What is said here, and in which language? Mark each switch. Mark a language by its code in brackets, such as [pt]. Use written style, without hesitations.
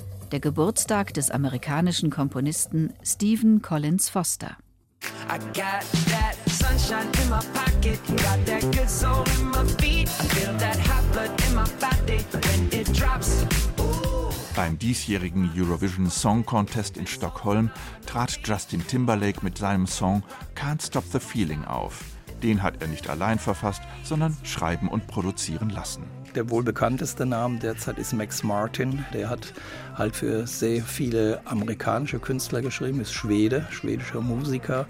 [de] Der Geburtstag des amerikanischen Komponisten Stephen Collins Foster. [en] I got that sunshine in my pocket, got that good soul in my feet, I feel that hot blood in my body when it drops. [de] Beim diesjährigen Eurovision Song Contest in Stockholm trat Justin Timberlake mit seinem Song Can't Stop the Feeling auf. Den hat er nicht allein verfasst, sondern schreiben und produzieren lassen. Der wohl bekannteste Name derzeit ist Max Martin. Der hat halt für sehr viele amerikanische Künstler geschrieben, ist Schwede, schwedischer Musiker.